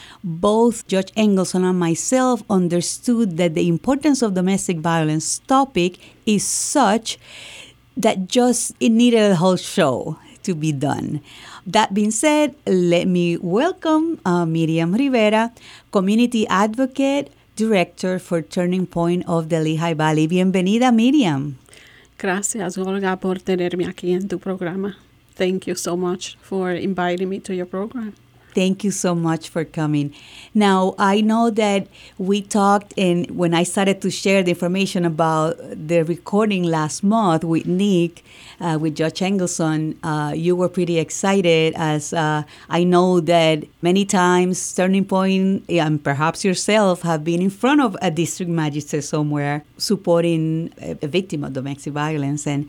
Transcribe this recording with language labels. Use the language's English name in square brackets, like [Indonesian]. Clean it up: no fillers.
[English] Both Judge Engelson and myself understood that the importance of domestic violence topic is such that just it needed a whole show to be done. That being said, let me welcome Miriam Rivera, Community Advocate, Director for Turning Point of the Lehigh Valley. [Spanish] Bienvenida, Miriam. Gracias, Olga, por tenerme aquí en tu programa. [English] Thank you so much for inviting me to your program. Thank you so much for coming. Now, I know that we talked, and when I started to share the information about the recording last month with Nick, with Judge Engelson, you were pretty excited, as I know that many times Turning Point, and perhaps yourself, have been in front of a district magistrate somewhere supporting a victim of domestic violence.